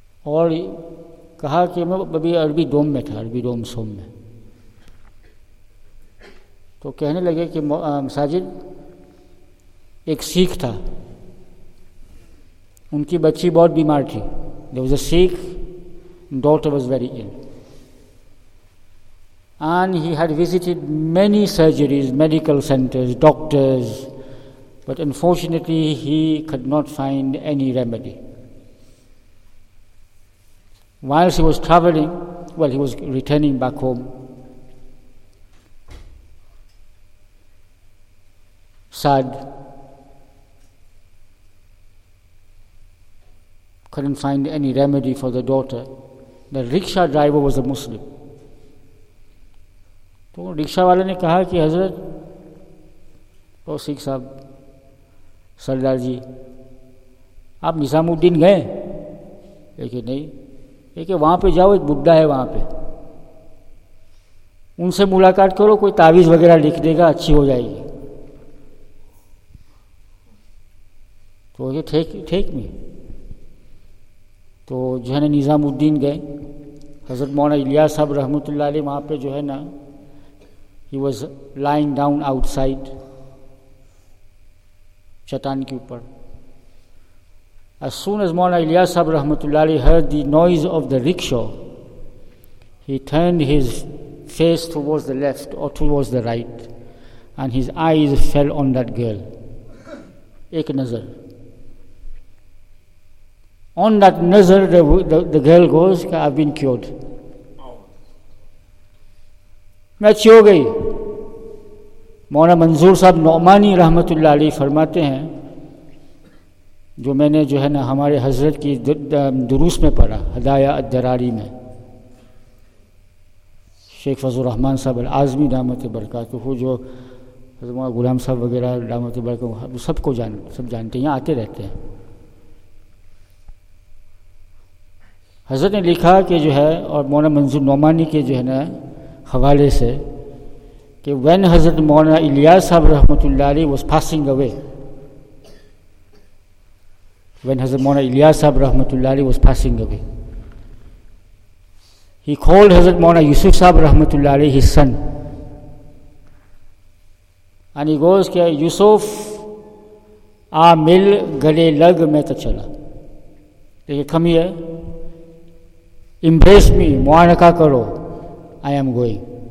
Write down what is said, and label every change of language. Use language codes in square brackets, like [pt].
[hi] और कहा कि मैं अभी अरबी डोम में था, अरबी डोम सोम में, तो कहने लगे कि साजिद एक सिख था, उनकी बच्ची बहुत बीमार थी, [en] There was a Sikh daughter was very ill and he had visited many surgeries, medical centres, doctors, but unfortunately he could not find any remedy. While he was traveling, well, he was returning back home, sad, couldn't find any remedy for the daughter. The rickshaw driver was a Muslim. [hi] So, rickshaw wale ne kaha ki Hazrat, oh Sikh sahab, Sardar ji, aap Nizamuddin gaye? Lekin nahi. देखिए वहाँ पे जाओ, एक बुड्ढा है वहाँ पे, उनसे मुलाकात करो, कोई तावीज़ वगैरह लिख देगा, अच्छी हो जाएगी। तो ये ठीक में तो जो है ना निज़ामुद्दीन गए, हज़रत मौलाना इलिया साहब रहमतुल्लाह अलैह वहाँ पे जो है ना [en] he was lying down outside [hi] चट्टान के ऊपर। [en] As soon as Maulana Ilyas Sahab Rahmatullahi heard the noise of the rickshaw, he turned his face towards the left or towards the right, and his eyes fell on that girl. [hi] Ek nazar. [en] On that nazar, the girl goes, I've been cured. [hi] Match ho gayi. Maulana Manzoor Sahab Nomani Rahmatullahi farmate hain, जो मैंने जो है ना हमारे हजरत की दुरूस में पढ़ा, हदाया अद्दरारी में, शेख फजल रहमान साहब अल आज़मी दामत बरकातहू, जो गुलाम साहब वगैरह दामत बरकातहू सबको जान सब जानते हैं, यहाँ आते रहते हैं। हजरत ने लिखा कि जो है, और मौलाना मंजूर नोमानी के जो है ना हवाले से, कि [en] when हजरत मौलाना इलियास साहब रहमतुल्लाही was passing away, when Hazrat Maulana Ilyas Sahab Rahmatullahi was passing away, he called Hazrat Maulana Yusuf Sahab Rahmatullahi, his son, and he goes, Yusuf, [pa] a mil gale lag mein ta chala, [en] come here, embrace me, [hi] muanaka karo, [en] I am going.